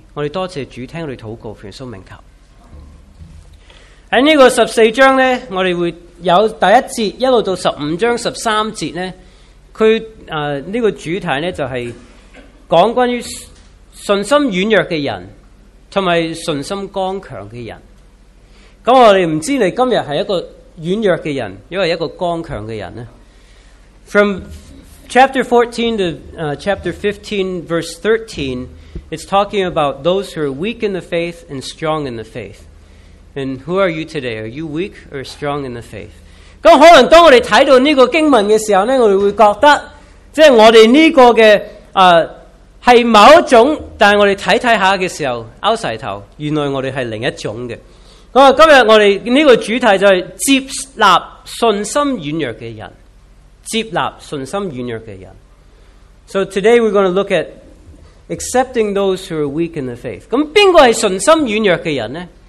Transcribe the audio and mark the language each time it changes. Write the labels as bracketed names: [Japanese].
[Chinese] 我们多谢主，听我们祷告，奉耶稣名求。在这个十四章呢，我们会有第一节一直到十五章十三节呢，他这个主题呢就是讲关于信心软弱的人和信心刚强的人。那我们不知道你今天是一个软弱的人，因为一个刚强的人。 [English] From chapter 14 to chapter 15 verse 13, it's talking about those who are weak in the faith and strong in the faith. And who are you today? Are you weak or strong in the faith? [Chinese] 那可能当我们看到这个经文的时候呢，我们会觉得即是我们这个的是某一种，但是我们看一下的时候拗晒头，原来我们是另一种的。今天我们这个主题就是接纳信心软弱的人，接纳信心软弱的人。 [English] So today we're going to look at accepting those who are weak in the faith. [Chinese] 那谁是信心软弱的人呢？